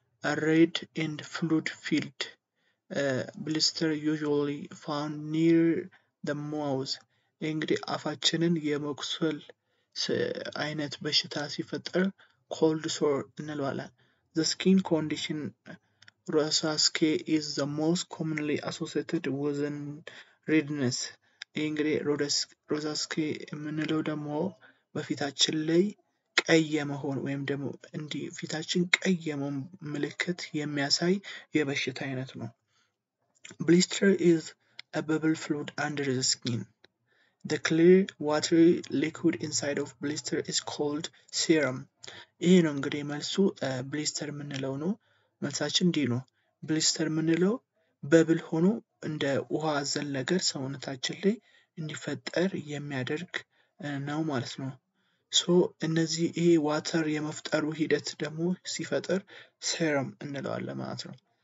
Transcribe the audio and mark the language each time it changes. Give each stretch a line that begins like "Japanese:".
English: a red and fluid filled blister usually found near the mouth
Amharic: እንግዲህ አፋችንን የመቁሰል አይነት በሽታ ሲፈጠር
English: cold sore
Amharic: እንለዋለን።
English: The skin condition rosacea is the most commonly associated with redness
Amharic: እንግዲህ ሮዛስኪ የምንለው ደግሞ በፊታችን ላይ ቀይ መሆን ወይም ደግሞ እንዲህ ፊታችን ቀይ መሆን ምልክት የሚያሳይ የበሽታ አይነት ነው።
English: Blister is a bubble fluid under the skin. The clear watery liquid inside of blister is called serum.
Amharic: ይህ ነው እንግዲህ መልሱ። ብሊስተር የምንለው ነው መልሳችን እንዲህ ነው። ብሊስተር የምንለው በብል ሆኖ እንደ ውሃ ዘል ነገር ሰውነታችን ላይ እንዲፈጠር የሚያደርግ ነው ማለት ነው። ሶ እነዚህ ይሄ ዋተር የመፍጠሩ ሂደት ደግሞ ሲፈጠር ሴረም እንለዋለን ማለት ነው።